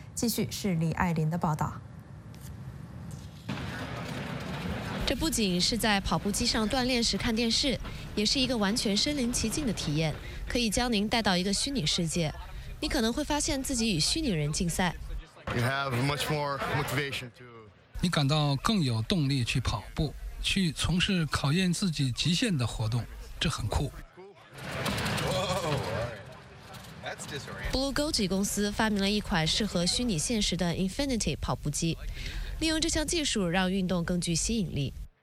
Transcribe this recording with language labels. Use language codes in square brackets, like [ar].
[zh] 继续是李爱琳的报道。这不仅是在跑步机上锻炼时看电视，也是一个完全身临其境的体验，可以将您带到一个虚拟世界。你可能会发现自己与虚拟人竞赛。 [en] You have much more motivation to. [zh] 你感到更有动力去跑步，去从事考验自己极限的活动，这很酷。 Blue Goji 公司发明了一款适合虚拟现实的 Infinity 跑步机，利用这项技术让运动更具吸引力。